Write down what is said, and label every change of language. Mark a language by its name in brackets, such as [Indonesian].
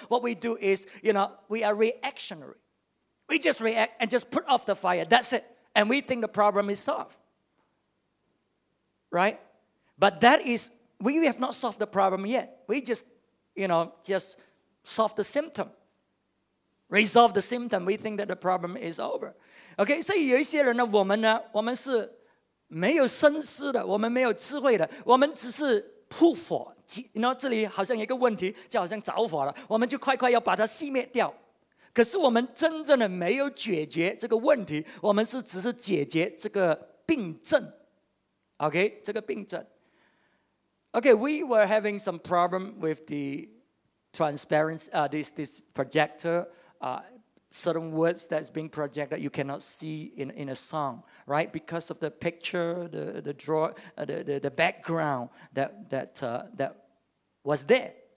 [English] What we do is, you know, we are reactionary. We just react and just put off the fire. That's it, and we think the problem is solved. Right? But that is, we have not solved the problem yet. We just, you know, just solve the symptom. Resolve the symptom. We think that the problem is over. [Chinese] Okay, so 有一些人呢，我们是没有深思的，我们没有智慧的，我们只是扑火， you know, 这里好像一个问题，就好像着火了，我们就快快要把它熄灭掉。可是我们真正的没有解决这个问题，我们是只是解决这个病症。 Okay, 这个病症. [English] Okay, we were having some problem with the transparency, this projector. certain words that's being projected you cannot see in a song, right? Because of the picture, the background that was there.